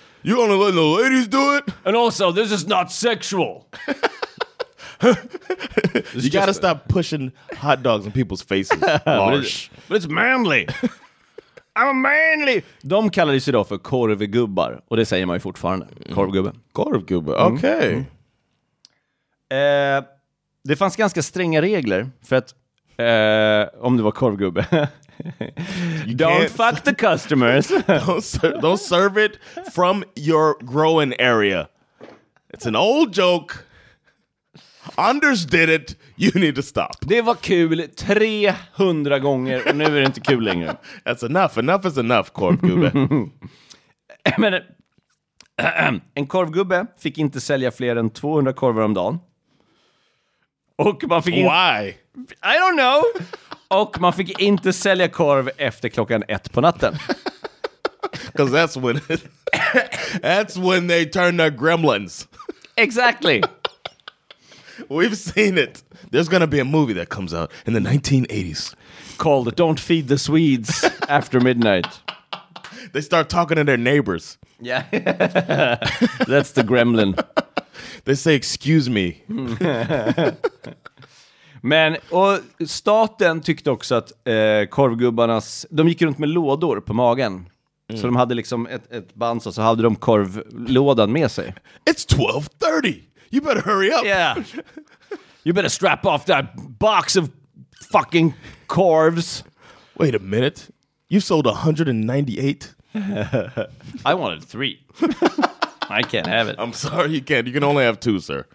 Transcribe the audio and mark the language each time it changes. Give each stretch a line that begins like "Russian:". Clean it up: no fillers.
English: You only let the ladies do it. And also, this is not sexual. You gotta stop pushing hot dogs in people's faces. But it's manly. I'm a manly.
Swedish: De kallade sig då för korvgubbar. Och det säger man ju fortfarande. Korvgubbe. Okej. Det fanns ganska stränga regler för att om du var korvgubbe.
English: Don't fuck the customers. don't serve it from your growing area. It's an old joke. Anders did it, you need to stop.
Swedish: Det var kul 300 gånger och nu är det inte kul längre.
English: That's enough, enough is enough, korvgubbe.
Swedish: Men en korvgubbe fick inte sälja fler än 200 korvar om dagen. Och man fick
English: Why? I don't know.
Swedish: Och man fick inte sälja korv efter klockan 1 på natten.
English: Because that's when they turn the gremlins. Exactly. We've seen it. There's going to be a movie that comes out in the 1980s. Called Don't Feed the Swedes After Midnight. They start talking to their neighbors. Yeah. That's the gremlin. They say, excuse me.
Swedish: Men, och staten tyckte också att korvgubbarnas... De gick runt med lådor på magen. Mm. Så de hade liksom ett band och så hade de korvlådan med sig.
English: It's 12:30. You better hurry up. Yeah. You better strap off that box of fucking corves. Wait a minute. You sold 198. I wanted 3. I can't have it. I'm sorry, you can't. You can only have 2, sir.